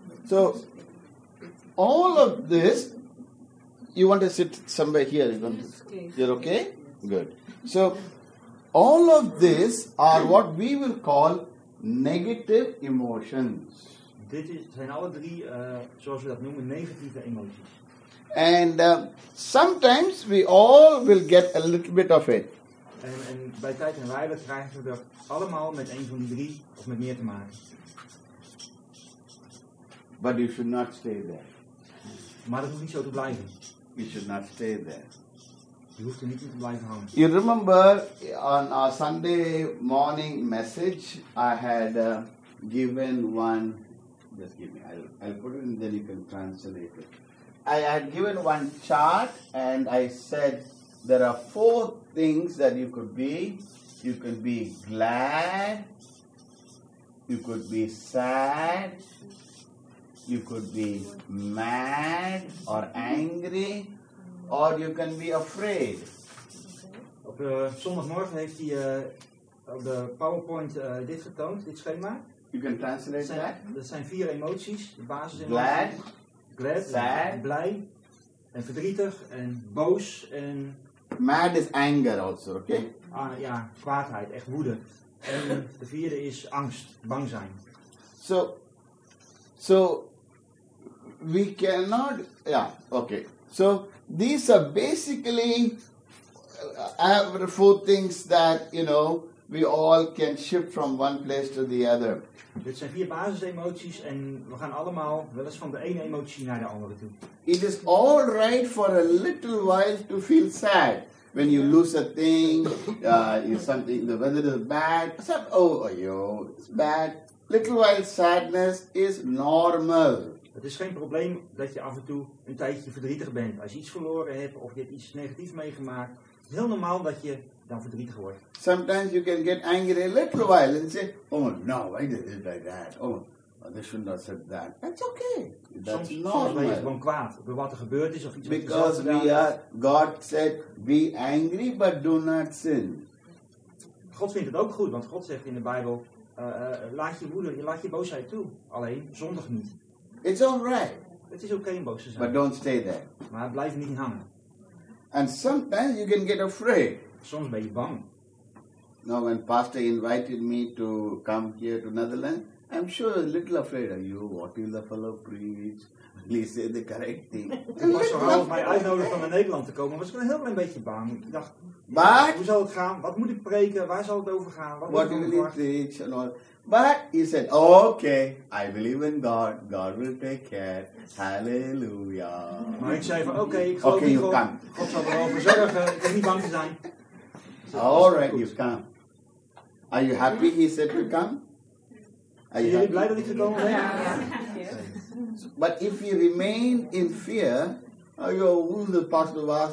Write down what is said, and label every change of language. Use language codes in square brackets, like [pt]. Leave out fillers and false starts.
[en] So, all of this, you want to sit somewhere here? You're okay? Good. So, all of this are what we will call negative emotions. [nl] Dit zijn alle drie, zoals we dat noemen, negatieve emoties. [en] And sometimes we all will get a little bit of it. [nl] En bij tijd en wijle krijgen we dat allemaal met een van die drie of met meer te maken. [en] But you should not stay there. [nl] Maar dat hoeft niet zo te blijven. [en] You should not stay there. [nl] Je hoeft er niet in te blijven hangen. [en] You remember on our Sunday morning message I had given one. Just give me. I'll put it in, then you can translate it. I had given one chart and I said there are 4 things that you could be. You could be glad, you could be sad, you could be mad or angry, or you can be afraid. [nl] Op zondagmorgen heeft hij op de PowerPoint dit getoond, dit schema. [en] You can translate [nl] zijn, [en] that. [nl] Dat zijn vier emoties, de basis in [en] glad, glad, sad, [nl] blij, en verdrietig, en boos, en... [en] Mad is anger also, okay? [nl] Ja, kwaadheid, echt woede. En de vierde is angst, bang zijn. [en] So, we cannot, yeah, okay. So, these are basically, four things that, you know, we all can shift from one place to the other. [nl] Dit zijn vier basisemoties en we gaan allemaal wel eens van de ene emotie naar de andere toe. [en] It is all right for a little while to feel sad. When you lose a thing, something, the weather is bad, except, it's bad. Little while sadness is normal. [nl] Het is geen probleem dat je af en toe een tijdje verdrietig bent. Als je iets verloren hebt of je hebt iets negatiefs meegemaakt, heel normaal dat je dan verdrietig wordt. [en] Sometimes you can get angry a little while and say, oh no, why did it like that? Oh, they shouldn't have said that. That's okay. That's normal. [nl] Soms ben je gewoon kwaad over wat er gebeurd is of iets wat je zelf gedaan hebt. [en] God said, be angry but do not sin. [nl] God vindt het ook goed, want God zegt in de Bijbel, laat je woede, laat je boosheid toe. Alleen, zondig niet. [en] It's all right. [nl] Het is okay om boos te zijn. [en] But don't stay there. [nl] Maar blijf niet hangen. [en] And sometimes you can get afraid. [nl] Soms ben je bang. [en] Now when pastor invited me to come here to Netherlands, I'm sure a little afraid of you. What will the fellow preach? Will he say the correct thing? [nl] Toen pastor Harald mij uitnodigde om naar Nederland te komen, was ik een heel klein beetje bang. Ik dacht, [en] but, [nl] hoe zal het gaan? Wat moet ik preken? Waar zal het over gaan? [en] What will he preach? And all. But he said, okay, I believe in God. God will take care. Hallelujah. [nl] Maar ik zei van, okay, ik geloof in God. [en] Come. [nl] God zal erover zorgen. Ik ben niet bang te zijn. [en] Alright, you've come. Are you happy he said to come? Are you happy? [nl] Blij dat ik gekomen ben? Ja. [en] But if you remain in fear, who is the pastor was?